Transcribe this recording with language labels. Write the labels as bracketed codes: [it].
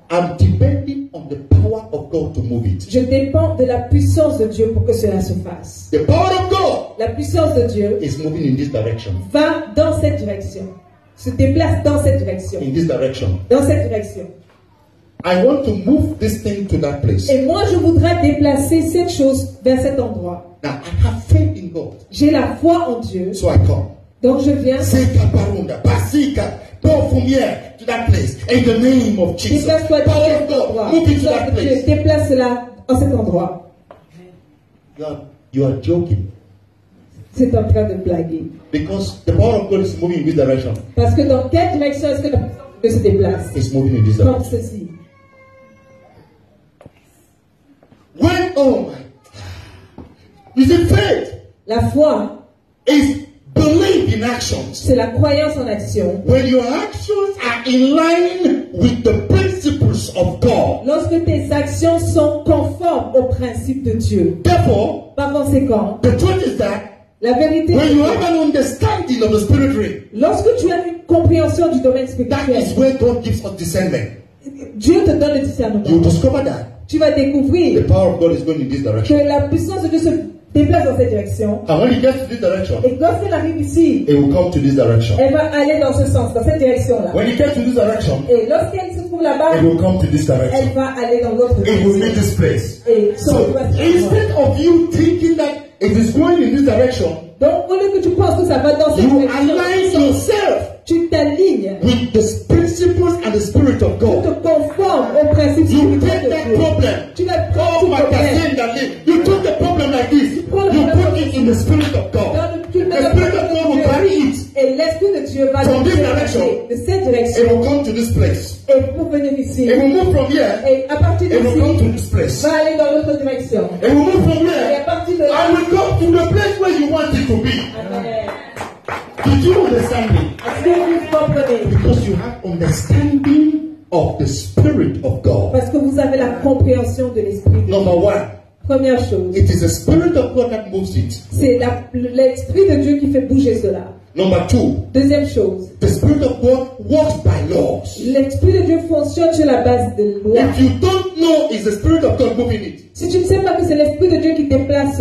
[en] I'm depending on the power of God to move it. [fr] Je dépends de la puissance de Dieu pour que cela se fasse. [en] The power of God. [fr] La puissance de Dieu. [en] Is moving in this direction. [fr] Va dans cette direction. Se déplace dans cette direction. [en] In this direction. [fr] Dans cette direction. [en] I want to move this thing to that place. [fr] Et moi, je voudrais déplacer cette chose vers cet endroit. [en] Now, I have faith in God. [fr] J'ai la foi en Dieu. [en] So I come. [fr] Donc je viens. [en] Seca parunda, pasica, go from here to that place. In the name of Jesus. [fr] Déplace-toi de cet endroit. [en] Move it to that place. [fr] Déplace-la en cet endroit. [en] You are joking. [fr] C'est en train de blaguer. [en] Because the power of God is moving in this direction. [fr] Parce que dans quelle direction est-ce que la puissance de Dieu se déplace? [en] It's moving in this direction. [fr] Comme ceci. [en] When oh my, is it faith? [fr] La foi [en] is belief in actions. [fr] C'est la croyance en action. [en] When your actions are in line with the principles of God. [fr] Lorsque tes actions sont conformes aux principes de Dieu. [en] Therefore, [fr] par conséquent, [en] the truth is that [fr] La vérité. [en] When you have an understanding of the spirit realm. [fr] Lorsque tu as une compréhension du domaine spirituel. [en] That is where God gives us discernment. [fr] Dieu te donne le discernement. [en] You discover that. [fr] Tu vas découvrir. [en] The power of God is going in this direction. [fr] Que la puissance de Dieu se déplace dans cette direction. [en] And when he gets to this direction. [fr] Et quand elle arrive ici. [en] It will come to this direction. [fr] Elle va aller dans ce sens, dans cette direction là. [en] When he gets to this direction. [fr] Et lorsqu'elle se trouve là-bas. [en] It will come to this direction. [fr] Elle va aller dans l'autre direction. [en] It will meet this place. [fr] Et [en] so instead of you thinking that. If it's going in this direction, [fr] donc, au lieu que tu penses que ça va dans cette direction, [en] yourself, [fr] tu t'alignes [en] with the principles and the spirit of God. [fr] Tu te conformes aux principes [en] you take that [fr] Dieu. [en] Problem. [fr] Tu vas prendre [en] oh, you took the problem like this. [fr] Tu [en] you [fr] le [en] put it in the spirit of God. [fr] Le, [en] the spirit of God will carry it. [fr] Et l'esprit de Dieu va [en] from this direction, [fr] de cette direction. [en] It will come to this place. [fr] Et pour venir ici. [en] It will move from here. [fr] Et à partir de ici. [en] It will go to this place. [fr] Va aller dans l'autre direction. [en] It will move from here. [fr] Et à partir de [en] là. I will go to the place where you want it to be. Amen. Did you understand me? Amen. Because you have understanding of the Spirit of God. [fr] Parce que vous avez la compréhension de l'esprit. [en] Number one. [fr] Première chose. [en] It is the Spirit of God that moves it. [fr] C'est la, l'esprit de Dieu qui fait bouger cela. [en] Number two. [fr] Deuxième chose. [en] The Spirit of God works by laws. [fr] L'esprit de Dieu fonctionne sur la base de loi. [en] If you don't know, is the Spirit of God moving it? [fr] Si tu ne sais pas que c'est l'esprit de Dieu qui déplace,